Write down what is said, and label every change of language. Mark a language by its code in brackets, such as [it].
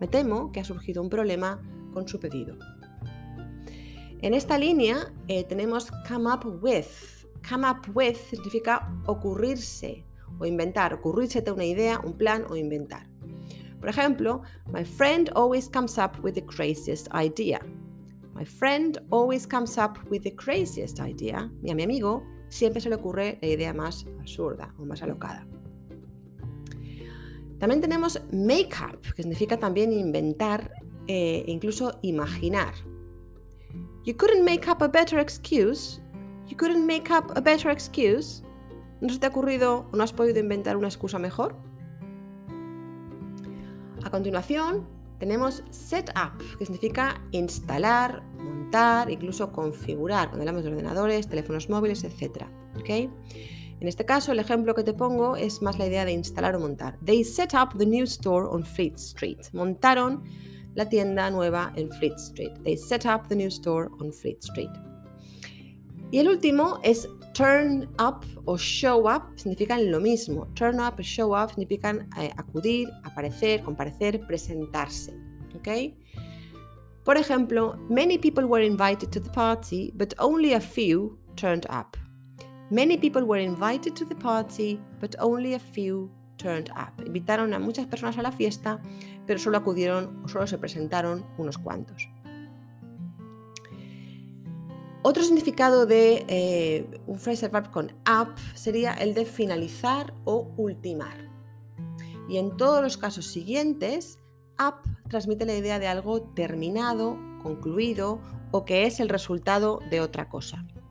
[es] Me temo que ha surgido un problema con su pedido. En esta línea tenemos come up with. Come up with significa ocurrirse o inventar, ocurrírsete una idea, un plan o inventar. Por ejemplo, [en] my friend always comes up with the craziest idea. My friend always comes up with the craziest idea. [es] Y a mi amigo siempre se le ocurre la idea más absurda o más alocada. También tenemos make up, que significa también inventar e incluso imaginar. [en] You couldn't make up a better excuse. You couldn't make up a better excuse. [es] ¿No se te ha ocurrido o no has podido inventar una excusa mejor? A continuación, tenemos set up, que significa instalar, montar, incluso configurar, cuando hablamos de ordenadores, teléfonos móviles, etc. ¿Okay? En este caso, el ejemplo que te pongo es más la idea de instalar o montar. [en] They set up the new store on Fleet Street. [es] Montaron la tienda nueva en Fleet Street. [en] They set up the new store on Fleet Street. [es] Y el último es turn up o show up, significan lo mismo. Turn up y show up significan acudir, aparecer, comparecer, presentarse. ¿Okay? Por ejemplo, [en] many people were invited to the party, but only a few turned up. Many people were invited to the party, but only a few turned up. [es] Invitaron a muchas personas a la fiesta, pero solo acudieron o solo se presentaron unos cuantos. Otro significado de un phrasal verb con up sería el de finalizar o ultimar. Y en todos los casos siguientes, up transmite la idea de algo terminado, concluido o que es el resultado de otra cosa.